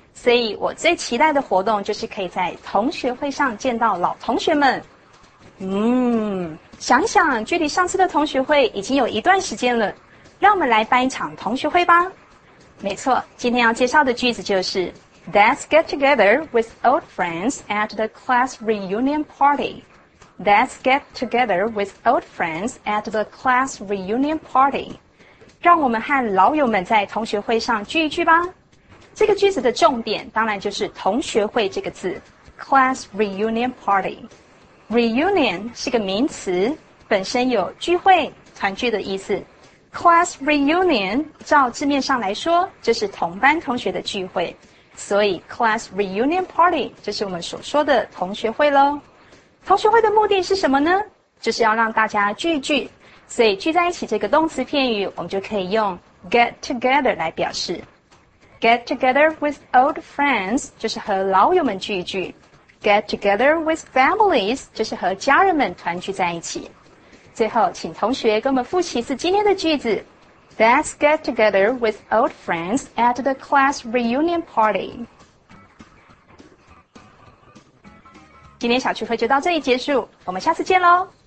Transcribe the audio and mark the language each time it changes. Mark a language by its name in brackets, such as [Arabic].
[Chinese] 所以我最期待的活动就是可以在同学会上见到老同学们。想想距离上次的同学会已经有一段时间了，让我们来办一场同学会吧。没错，今天要介绍的句子就是 [English] Let's get together with old friends at the class reunion party. Let's get together with old friends at the class reunion party. [Chinese] 让我们和老友们在同学会上聚一聚吧。这个句子的重点当然就是同学会这个字 class reunion party. Reunion 是个名词，本身有聚会、团聚的意思。 Class reunion 照字面上来说，就是同班同学的聚会，所以 class reunion party 就是我们所说的同学会咯。同学会的目的是什么呢？就是要让大家聚一聚，所以聚在一起这个动词片语，我们就可以用 get together 来表示。 [English] Get together with old friends [Chinese] 就是和老友们聚一聚。 [English] Get together with families [Chinese] 就是和家人们团聚在一起。最后，请同学跟我们复习一次今天的句子。 [English] Let's get together with old friends at the class reunion party. [Chinese] 今天小聚会就到这里结束，我们下次见咯。